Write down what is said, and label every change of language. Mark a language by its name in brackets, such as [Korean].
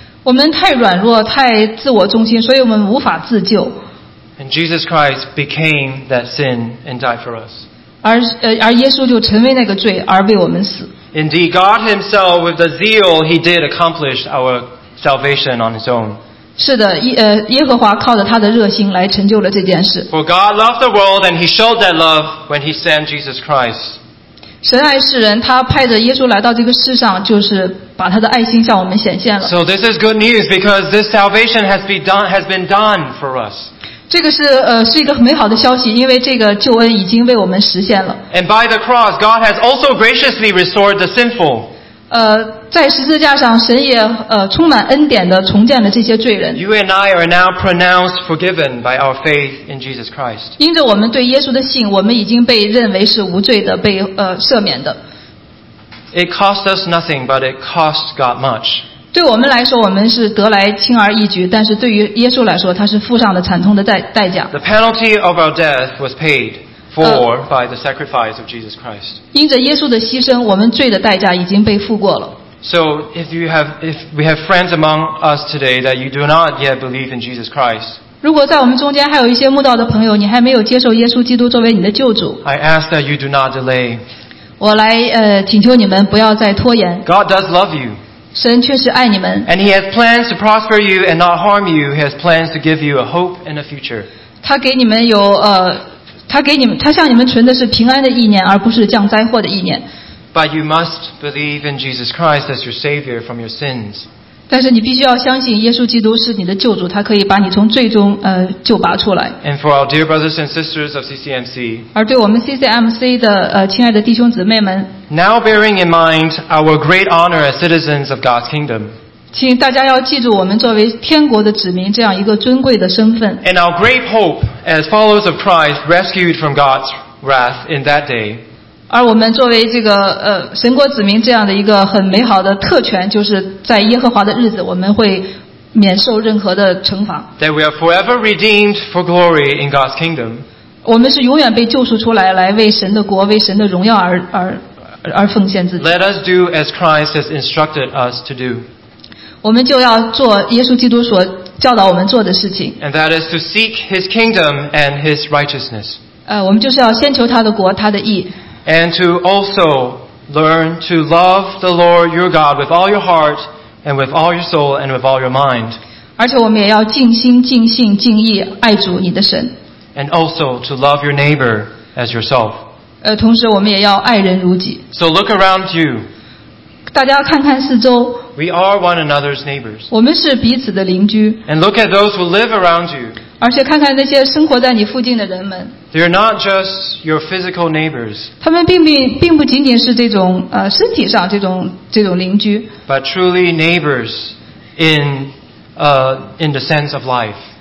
[Chinese] 我们太软弱，太自我中心，所以我们无法自救。 [English] And Jesus Christ became that sin and died for us. [Chinese] 而耶稣就成为那个罪，而为我们死。 [English] Indeed, God Himself, with the zeal He did, accomplished our salvation on His own. [Chinese] 是的，耶和华靠着他的热心来成就了这件事。 [English] For God loved the world, and He showed that love when He sent Jesus Christ. [Chinese] 神爱世人，他派着耶稣来到这个世上，就是。把他的爱心向我们显现了。 [English] So this is good news because this salvation has been done for us. [Chinese] 这个是一个美好的消息，因为这个救恩已经为我们实现了。 [English] And by the cross, God has also graciously restored the sinful. [Chinese] 在十字架上，神也充满恩典的重建了这些罪人。 [English] You and I are now pronounced forgiven by our faith in Jesus Christ. [Chinese] 因着我们对耶稣的信，我们已经被认为是无罪的，被赦免的。 [English] It cost us nothing, but it cost God much. [Chinese] 对我们来说，我们是得来轻而易举，但是对于耶稣来说，他是付上了惨痛的代价。 [English] The penalty of our death was paid for by the sacrifice of Jesus Christ. [Chinese] 因着耶稣的牺牲，我们罪的代价已经被付过了。 [English] So if we have friends among us today that you do not yet believe in Jesus Christ. [Chinese] 如果在我们中间还有一些慕道的朋友，你还没有接受耶稣基督作为你的救主， [English] I ask that you do not delay. [Chinese] 我来请求你们不要再拖延。 [English] God does love you. [Chinese] 神确实爱你们。 [English] And he has plans to prosper you and not harm you. He has plans to give you a hope and a future. [Chinese] 他给你们有他向你们存的是平安的意念，而不是降灾祸的意念。 [English] But you must believe in Jesus Christ as your Savior from your sins. [Chinese] 但是你必须要相信耶稣基督是你的救主，他可以把你从罪中救拔出来。 [English] And for our dear brothers and sisters of CCMC. [Chinese] 而对我们 CCMC 的亲爱的弟兄姊妹们。 [English] Now bearing in mind our great honor as citizens of God's kingdom. [Chinese] 请大家要记住我们作为天国的子民这样一个尊贵的身份。 [English] And our great hope as followers of Christ rescued from God's wrath in that day. [Chinese] 而我们作为这个神国子民这样的一个很美好的特权，就是在耶和华的日子，我们会免受任何的惩罚。 [English] That we are forever redeemed for glory in God's kingdom. [Chinese] 我们是永远被救赎出来，来为神的国、为神的荣耀而奉献自己。 [English] Let us do as Christ has instructed us to do. [Chinese] 我们就要做耶稣基督所教导我们做的事情。 [English] And that is to seek His kingdom and His righteousness. [Chinese] 我们就是要先求他的国、他的义。 [English] And to also learn to love the Lord your God with all your heart and with all your soul and with all your mind. [Chinese] 而且我们也要尽心尽性尽意爱主你的神。 [English] And also to love your neighbor as yourself. [Chinese] 同时我们也要爱人如己。 [English] So look around you. [Chinese] 大家看看四周。 [English] We are one another's neighbors. [Chinese] 我们是彼此的邻居。 [English] And look at those who live around you. [Chinese] 而且看看那些生活在你附近的人们。 [English] They're not just your physical neighbors. [Chinese] 他们并不仅仅是这种身体上这种邻居。 [English] But truly neighbors in the sense of life.